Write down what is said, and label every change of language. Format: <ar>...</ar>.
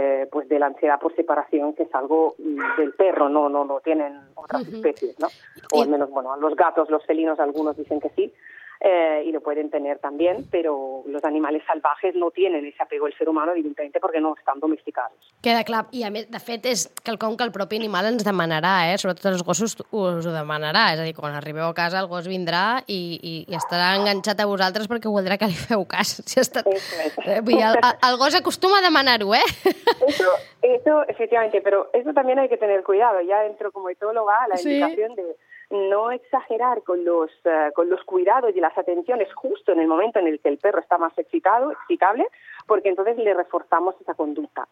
<es>pues de la ansiedad por separación, que es algo del perro, no tienen otras especies, ¿no? O al menos, bueno, los gatos, los felinos, algunos dicen que sí, y lo pueden tener también, pero los animales salvajes no tienen ese apego al ser humano, evidentemente, porque no están domesticados.</es> <ca>Queda clar. I, a més, de fet, és quelcom que el propi animal ens demanarà, eh? Sobretot els gossos us ho demanarà. És a dir, quan arribeu a casa, el gos vindrà i estarà enganxat a vosaltres perquè voldrà que li feu cas. Si està... Vull dir, el gos acostuma a demanar-ho, eh?</ca> <es>Eso, efectivamente, pero eso también hay que tener cuidado. Ya entro como etóloga a la indicación de... no exagerar con los cuidados y las atenciones justo en el momento en el que el perro está más excitable, porque entonces le reforzamos esa conducta.</es>